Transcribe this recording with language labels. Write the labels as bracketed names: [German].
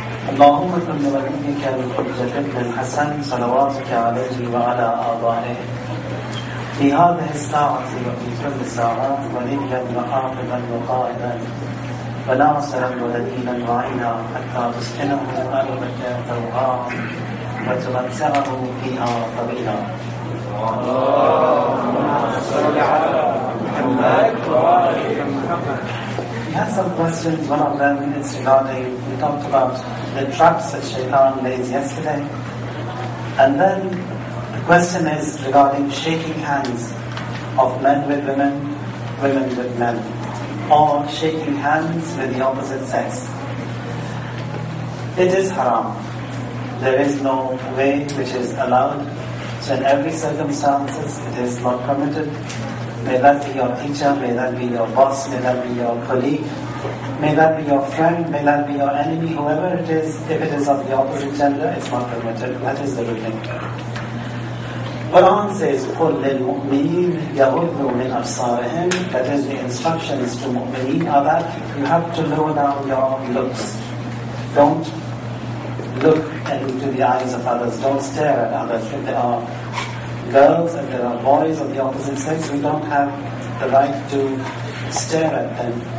[Arabic] اللهم صل على نبيك الجليل الحسن صلواتك عليه وعلى آبائه في هذه الساعة وفي كل ساعة وليا وحافظا وقائدا وناصرا ودليلا وعينا حتى تسكنه أرضك ترعاه وتوسعه فيها طويلا. اللهم صل على محمد وعلى محمد. [English] He has some questions. One of them is regarding, we talked about the traps that Shaitan lays yesterday. And then the question is regarding shaking hands of men with women, women with men, or shaking hands with the opposite sex. It is haram. There is no way which is allowed. So in every circumstances, it is not permitted. May that be your teacher, may that be your boss, may that be your colleague, may that be your friend, may that be your enemy, whoever it is, if it is of the opposite gender, it's not permitted. That is the ruling. [Arabic] Quran says, قُلْ لِلْمُؤْمِنِينَ يَغُضُّوا مِنْ أَبْصَارِهِمْ. [English] That is, the instructions to mu'mineen are that you have to lower down your looks. Don't look into the eyes of others, don't stare at others. If there are girls and there are boys of the opposite sex, we don't have the right to stare at them.